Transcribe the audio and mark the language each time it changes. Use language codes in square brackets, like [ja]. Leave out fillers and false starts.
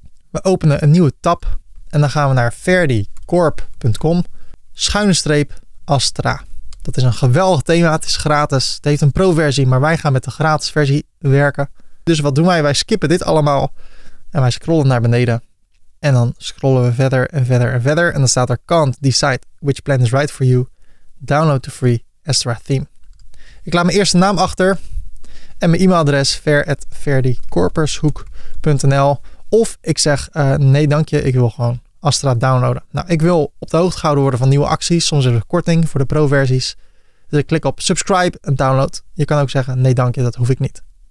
[nl] We openen een nieuwe tab en dan gaan we naar verdicorp.com/Astra. Dat is een geweldig thema, het is gratis. Het heeft een pro-versie, maar wij gaan met de gratis versie werken. Dus wat doen wij? Wij skippen dit allemaal en wij scrollen naar beneden. En dan scrollen we verder en verder en verder. En dan staat er [en] can't decide which plan is right for you. Download the free Astra theme. [nl] Ik laat mijn eerste naam achter en mijn e-mailadres ver@verdicorpershoek.nl. Of ik zeg nee dank je, ik wil gewoon Astra downloaden. Nou, ik wil op de hoogte gehouden worden van nieuwe acties. Soms is er korting voor de pro versies. Dus ik klik op subscribe en download. Je kan ook zeggen nee dank je, dat hoef ik niet.